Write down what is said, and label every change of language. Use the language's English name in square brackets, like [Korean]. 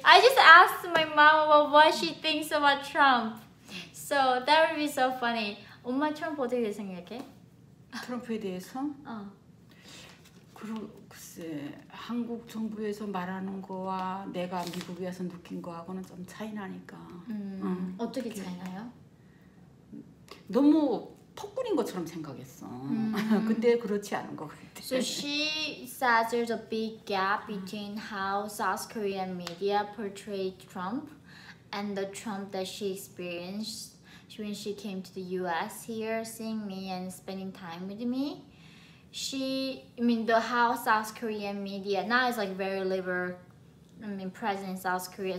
[English] I just asked my mom about what she thinks about Trump. So that would be so funny. [Korean] 엄마 트럼프 어떻게 대해서 생각해? 트럼프에 대해서? 글쎄, 한국 정부에서 말하는 거와 내가 미국에 와서 느낀 거하고는 좀 차이 나니까. 어떻게 차이 나요? 너무 폭군인 것처럼 생각했어. 근데 그렇지 않은 것 같아. [English] So she says there's a big gap between how South Korean media portrayed Trump and the Trump that she experienced when she came to the US here, seeing me and spending time with me. She, I mean, the how South Korean media now is like very liberal, I mean, present in South Korea.